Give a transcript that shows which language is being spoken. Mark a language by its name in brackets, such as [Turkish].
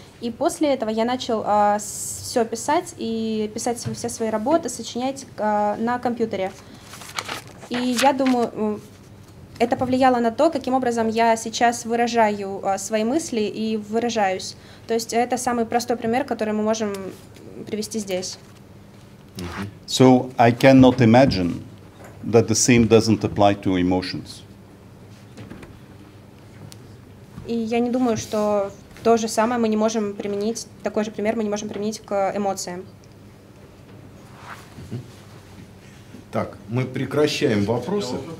[Russian] И после этого я начал все писать и писать все свои работы, сочинять на компьютере. И я думаю, это повлияло на то, каким образом я сейчас выражаю свои мысли и выражаюсь. То есть это самый простой пример, который мы можем привести здесь. [English] So I cannot imagine that the same doesn't apply to emotions. [Russian] И я не думаю, что то же самое мы не можем применить, такой же пример мы не можем применить к эмоциям. Так, мы прекращаем вопросы.